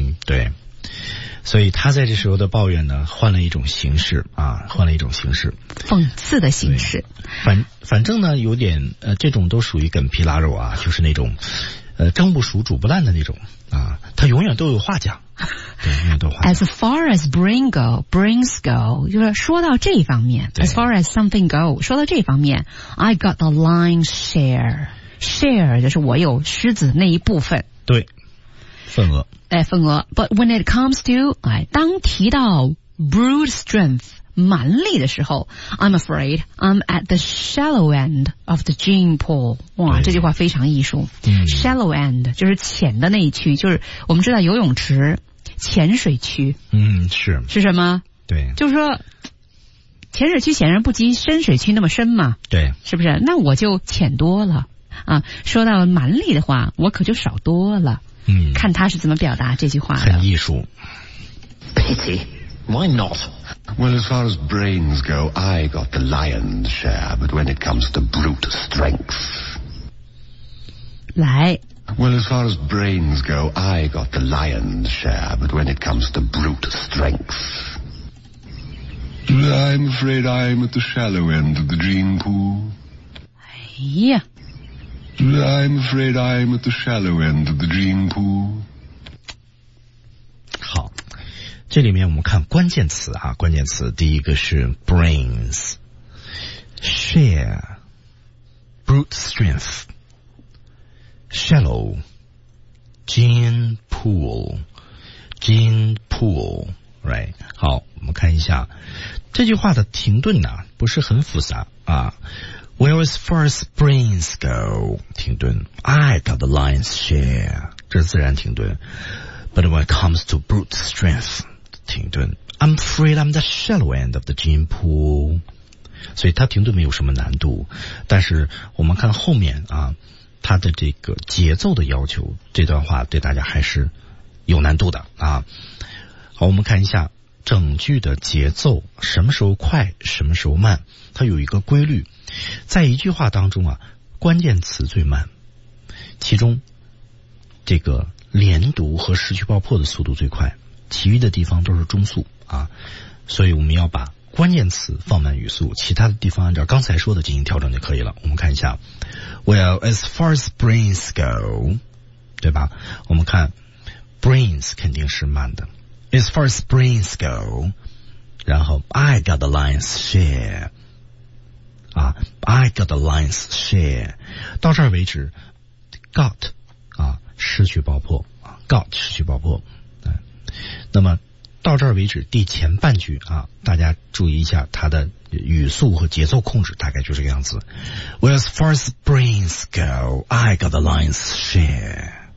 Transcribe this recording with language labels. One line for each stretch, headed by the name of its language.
Chinese: 对。所以他在这时候的抱怨呢，换了一种形式啊，换了一种形式，讽刺的形式。反正呢，有点这种都属于梗皮拉肉啊，就是那种蒸不熟煮不烂的那种啊，他永远都有话讲。
English: As far as brains go，
Chinese: 就是说到这方面
English: ，as far as something go，
Chinese: 说到这方面
English: ，I got the lion's share，
Chinese: 就是我有狮子那一部分，对，份额，份额。
English: But when it comes to，
Chinese: 当提到
English: brute strength，
Chinese: 蛮力的时候
English: ，I'm afraid I'm at the shallow end of the gene pool。
Chinese: 哇，这句话非常艺术。
English: Shallow end
Chinese: 就是浅的那一区，就是我们知道游泳池。潜水区，是什么？对，就是说潜水区显然不及深水区那么深嘛，对，是不是？那我就浅多了啊。说到蛮力的话，我可就少多了。看他是怎么表达这句话的，很艺术。
English: Pity, why not? Well, as far as brains go, I got the lion's share, but when it comes to brute strength，
Chinese: 来。
English: Well, as far as brains go, I got the lion's share, but when it comes to brute strength, I'm afraid I'm at the shallow end of the gene pool. I'm afraid I'm at the shallow end of the gene pool.
Chinese: 好，这里面我们看关键词啊，关键词第一个是 brains, share,
English: brute strength. Shallow, gene pool, gene pool, right?
Chinese: 好，我们看一下这句话的停顿呢，不是很复杂啊。
English: Well, as far as brains go,
Chinese: 停顿
English: ，I got the lion's share,
Chinese: 这是自然停顿。
English: But when it comes to brute strength,
Chinese: 停顿
English: ，I'm afraid I'm the shallow end of the gene pool。
Chinese: 所以它停顿没有什么难度，但是我们看后面啊。他的这个节奏的要求，这段话对大家还是有难度的啊。好，我们看一下整句的节奏，什么时候快，什么时候慢，它有一个规律。在一句话当中啊，关键词最慢，其中这个连读和失去爆破的速度最快，其余的地方都是中速啊。所以我们要把关键词放慢语速，其他的地方按照刚才说的进行调整就可以了。我们看一下 ，
English: Well, as far as brains go，
Chinese: 对吧？我们看
English: brains
Chinese: 肯定是慢的
English: ，as far as brains go，
Chinese: 然后
English: I got the lion's share， 啊 ，I got the lion's share，
Chinese: 到这儿为止
English: ，got 啊
Chinese: 失去爆破啊
English: ，got
Chinese: 失去爆破，那么。到这儿为止，第前半句啊，大家注意一下它的语速和节奏控制，大概就是这个样子。
English: Well, as far as brains go, I got the lion's share.